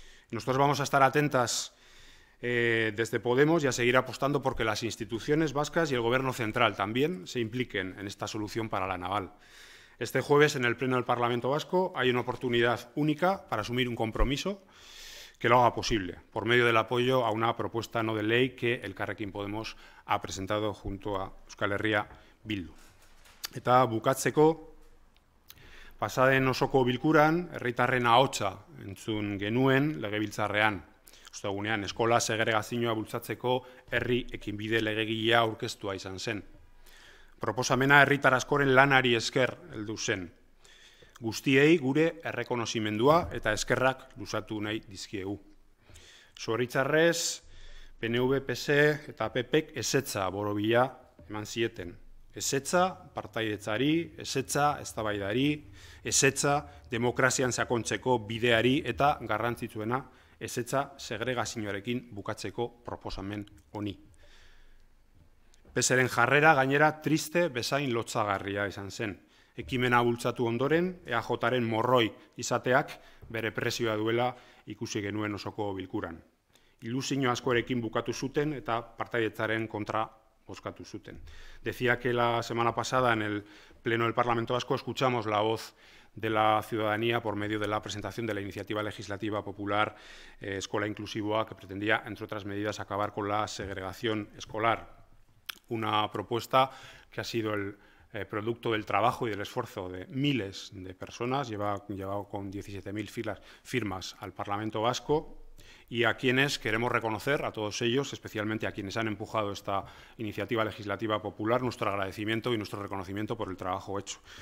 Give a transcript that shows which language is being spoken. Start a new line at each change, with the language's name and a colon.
Spanish: Nosotros vamos a estar atentas desde Podemos y a seguir apostando porque las instituciones vascas y el Gobierno central también se impliquen en esta solución para la Naval. Este jueves, en el Pleno del Parlamento Vasco, hay una oportunidad única para asumir un compromiso que lo haga posible, por medio del apoyo a una propuesta no de ley que el Elkarrekin Podemos ha presentado junto a Euskal Herria Bildu.
Basque: Eta bukatzeko, pasaden osoko bilkuran, herritarren ahotsa entzun genuen legebiltzarrean. Ostegunean, eskola segregazioa bultzatzeko herri ekinbide legegilea aurkeztua izan zen. Proposamena herritar askoren lanari esker heldu zen. Guztiei gure errekonozimendua eta eskerrak luzatu nahi dizkiegu. Zoritzarrez, PNV, PSE eta PPek ezetza borobila eman zieten. Ezetza partaidetzari, ezetza eztabaidari, ezetza demokrazian sakontzeko bideari eta garrantzitsuena ezetza segregazioarekin bukatzeko proposamen honi. PSEren jarrera gainera triste bezain lotzagarria izan zen. Ekimena bultzatu ondoren, EAJ-taren morroi izateak bere presioa duela ikusi genuen osoko bilkuran. Ilusio askorekin bukatu zuten eta partaidetzaren kontra bozkatu zuten.
Spanish: Decía que la semana pasada en el Pleno del Parlamento Vasco escuchamos la voz de la ciudadanía por medio de la presentación de la iniciativa legislativa popular Escola Inclusiva, que pretendía, entre otras medidas, acabar con la segregación escolar. Una propuesta que ha sido el producto del trabajo y del esfuerzo de miles de personas, llevado con 17.000 firmas al Parlamento Vasco, y a quienes queremos reconocer, a todos ellos, especialmente a quienes han empujado esta iniciativa legislativa popular, nuestro agradecimiento y nuestro reconocimiento por el trabajo hecho.